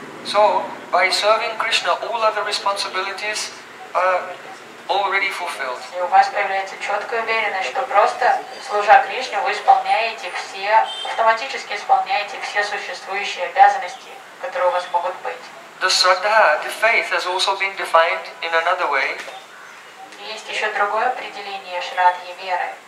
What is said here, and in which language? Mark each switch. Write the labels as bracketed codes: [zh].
[en] So, by serving Krishna, all other responsibilities are already fulfilled. [ru] И у вас появляется четкая уверенность, что просто служа Кришне, вы исполняете все, автоматически исполняете все существующие обязанности, которые у вас могут быть. [en] The sraddha, the faith, has also been defined in another way. [ru] Есть еще другое определение шраддхи веры.